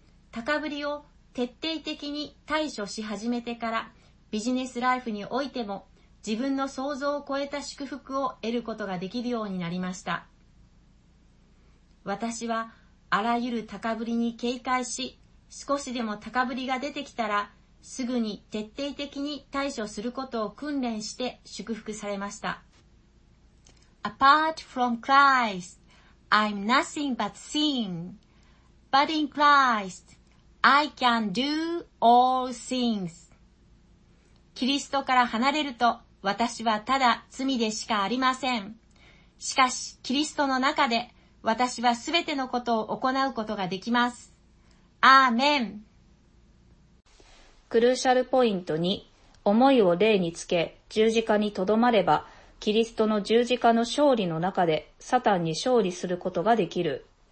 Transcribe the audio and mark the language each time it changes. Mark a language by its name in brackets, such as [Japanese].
[Japanese] 高ぶりを徹底的に対処し始めてから、ビジネスライフにおいても、自分の想像を超えた祝福を得ることができるようになりました。私は、あらゆる高ぶりに警戒し、少しでも高ぶりが出てきたら、すぐに徹底的に対処することを訓練して祝福されました。 [English] Apart from Christ, I'm nothing but sin. But in Christ, I can do all things. [Japanese] キリストから離れると、私はただ罪でしかありません。しかし、キリストの中で、私はすべてのことを行うことができます。アーメン。クルーシャルポイント2、思いを霊につけ、十字架にとどまれば、キリストの十字架の勝利の中で、サタンに勝利することができる。